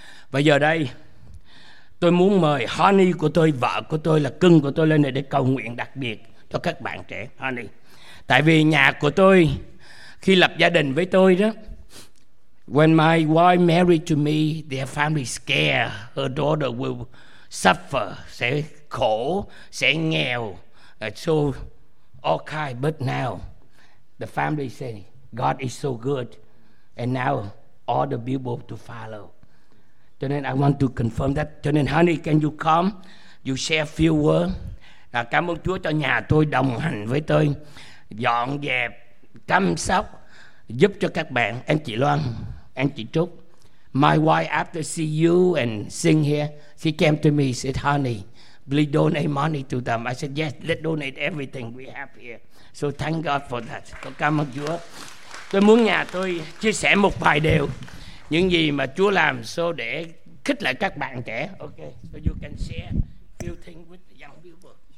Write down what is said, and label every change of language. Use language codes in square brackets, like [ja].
[vi] Và giờ đây, tôi muốn mời Honey của tôi, vợ của tôi, là cưng của tôi lên đây để cầu nguyện đặc biệt cho các bạn trẻ, Honey. Tại vì nhà của tôi, khi lập gia đình với tôi đó, [en] when my wife married to me, their family scared her daughter will suffer, [vi] sẽ khổ, sẽ nghèo, [en] so all kind. But now, the family say, God is so good, and now all the people to follow. [vi] Cho nên [en] I want to confirm that. Cho nên Honey, can you come? You share few words. [vi] Cảm ơn Chúa cho nhà tôi đồng hành với tôi, dọn dẹp, chăm sóc, giúp cho các bạn. [en] Anh chị Loan, anh chị Trúc, my wife after see you and sing here, she came to me, said, Honey, please donate money to them. I said, yes, let's donate everything we have here. So thank God for that. [vi] Tôi cảm ơn Chúa. Tôi muốn nhà tôi chia sẻ một vài điều, những gì mà Chúa làm, [en] so [vi] để khích lệ các bạn trẻ. [en] Ok, so you can share few things with the young people.